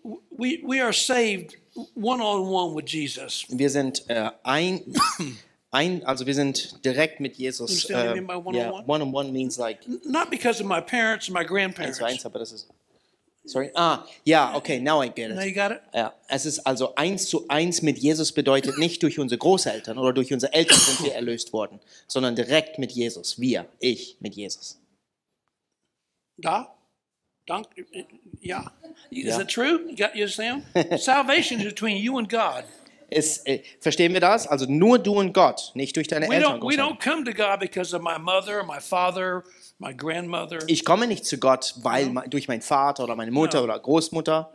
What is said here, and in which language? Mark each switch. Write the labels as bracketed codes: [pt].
[en] We are saved one-on-one with Jesus. [de] Wir sind wir sind direkt mit Jesus. [en] One-on-one means like. Not because of my parents or my grandparents. [de] Eins, aber das ist. [en] Sorry. Ah, ja, okay, now I get it. Now you got it? [de] Ja. Es ist also 1:1 mit Jesus bedeutet nicht durch unsere Großeltern oder durch unsere Eltern sind wir erlöst worden, sondern direkt mit Jesus. Wir, ich, mit Jesus. Da? Danke. Ja. [en] Is it true? You understand? Salvation is between you and God. [de] Verstehen wir das? Also nur du und Gott, nicht durch deine Eltern. [en] We don't come to God because of my mother, my father, my grandmother. [de] Ich komme nicht zu Gott, weil durch meinen Vater oder meine Mutter oder Großmutter.